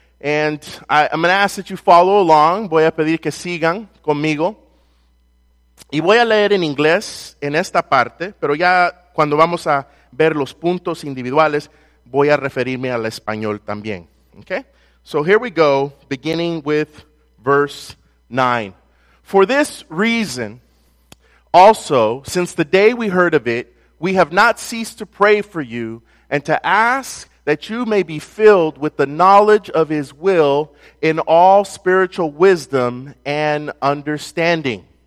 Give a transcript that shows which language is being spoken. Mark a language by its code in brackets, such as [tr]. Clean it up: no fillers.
[en] And I'm going to ask that you follow along. [es] Voy a pedir que sigan conmigo. Y voy a leer en inglés en esta parte, pero ya cuando vamos a ver los puntos individuales, voy a referirme al español también. [en] Okay? So here we go, beginning with verse 9. For this reason, also, since the day we heard of it, we have not ceased to pray for you and to ask that you may be filled with the knowledge of his will in all spiritual wisdom and understanding.